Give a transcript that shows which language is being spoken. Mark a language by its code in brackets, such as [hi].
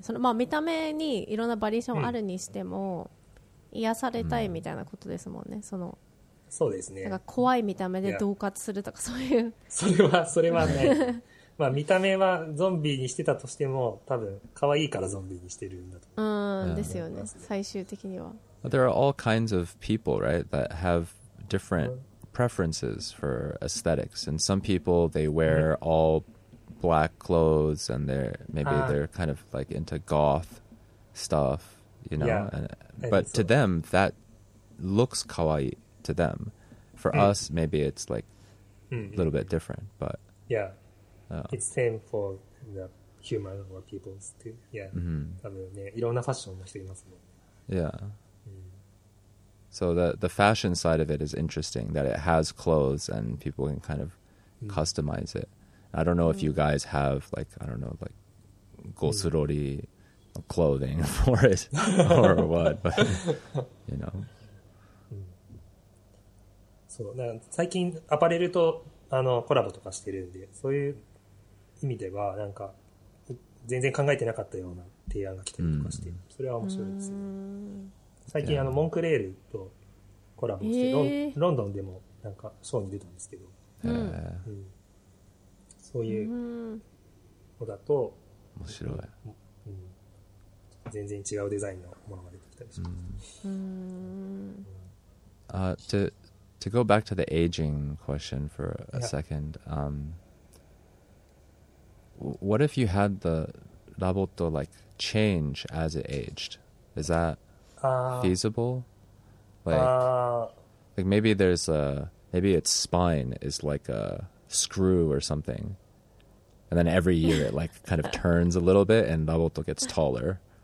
[ja] そのまあ見た目にいろんなバリエーションあるにしても癒されたいみたいなことですもんね、うん、その、そうですね、なんか怖い見た目で恫喝するとかそういう、それはね。まあ見た目はゾンビにしてたとしても多分可愛いからゾンビにしてるんだと、うん、yeah. ですよね、最終的には。 [en] There are all kinds of people, right, that have differentpreferences for aesthetics, and some people they wear all black clothes and they're kind of like into goth stuff, you know, yeah, and, but to them that looks kawaii to them. For us maybe it's like a little bit different, but yeah, it's same for the human or people too. [ja] Yeah, いろんなファッションの人いますもん。 Yeah. [en] So the fashion side of it is interesting, that it has clothes and people can kind of customize it. I don't know if you guys have, like, I don't know, like, gosurori clothing for it or what, but, you know. [ja] So, 最近アパレルとコラボとかしてるんで、そういう意味ではなんか全然考えてなかったような提案が来たりとかして、それは面白いですよね。最近、yeah. モンクレールとコラボして、ロンドンでもなんかショーに出たんですけど、そういうのだと面白い、うん、全然違うデザインのものが出てきたりします。 [en] To go back to the aging question for a、yeah. second、what if you had the ラボット like change as it aged? Is thatfeasible? Like maybe there's a, maybybe its spine is like a screw or something, and then every year it like kind of turns a little bit and Naboto gets taller.